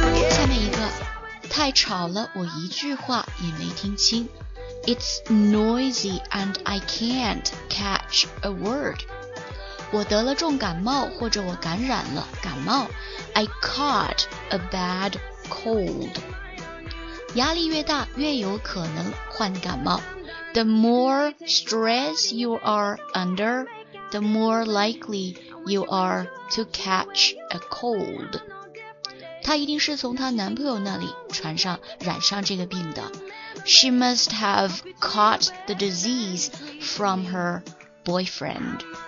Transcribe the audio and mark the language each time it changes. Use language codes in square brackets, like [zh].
[zh] 下面一个，太吵了，我一句话也没听清。 [en] It's noisy and I can't catch a word。 [zh] 我得了重感冒，或者我感染了感冒。 [en] I caught a bad cold。 [zh] 压力越大越有可能患感冒。 [en] The more stress you are under, the more likely you are to catch a cold。 [zh] 她一定是从她男朋友那里染上这个病的。 [en] She must have caught the disease from her boyfriend。